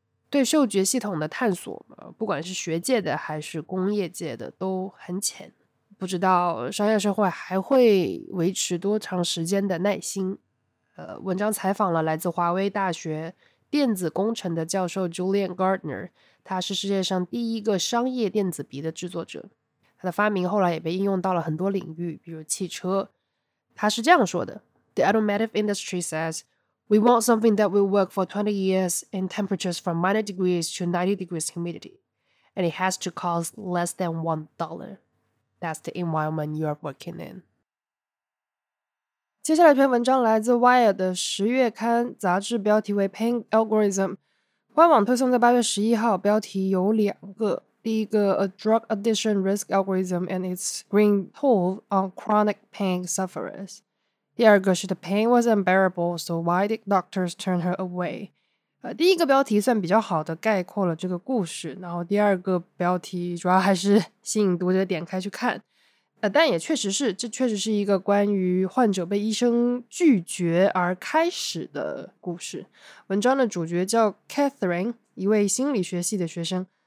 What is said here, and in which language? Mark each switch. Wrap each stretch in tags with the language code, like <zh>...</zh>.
<zh>对嗅觉系统的探索，不管是学界的还是工业界的都很浅，不知道商业社会还会维持多长时间的耐心。文章采访了来自华威大学电子工程的教授 Julian Gardner， 他是世界上第一个商业电子鼻的制作者，他的发明后来也被应用到了很多领域，比如汽车。他是这样说的，</zh> <en>The automotive industry says, we want something that will work for 20 years in temperatures from minus degrees to 90 degrees humidity, and it has to cost less than $1. That's the environment you are working in.</en> <zh>接下来一篇文章来自 Wired 的10月刊，杂志标题为 Pain Algorithm， 官网推送在8月11号，标题有两个。第一个</zh> <en>A Drug Addiction Risk Algorithm and its Grim Toll on Chronic Pain Sufferers。</en> <zh>第二个是</zh> <en>The pain was unbearable, so why did doctors turn her away？</en> <zh>第一个标题算比较好的概括了这个故事，然后第二个标题主要还是吸引读者点开去看。但也确实是，这确实是一个关于患者被医生拒绝而开始的故事。文章的主角叫 Catherine， 一位心理学系的学生。</zh>